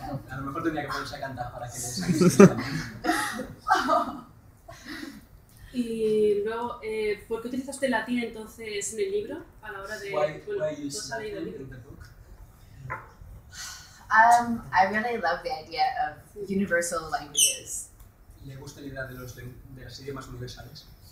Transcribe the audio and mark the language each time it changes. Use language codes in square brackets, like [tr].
[es] A lo mejor tendría que ponerse a cantar para que le saque. Y luego, ¿por qué utilizaste el latín entonces en el libro a la hora de [en] why use [es] salir [en] Latin [es] el libro? [en] In the book? I really love the idea of universal languages. [es] Le gusta la idea de los de las idiomas universales.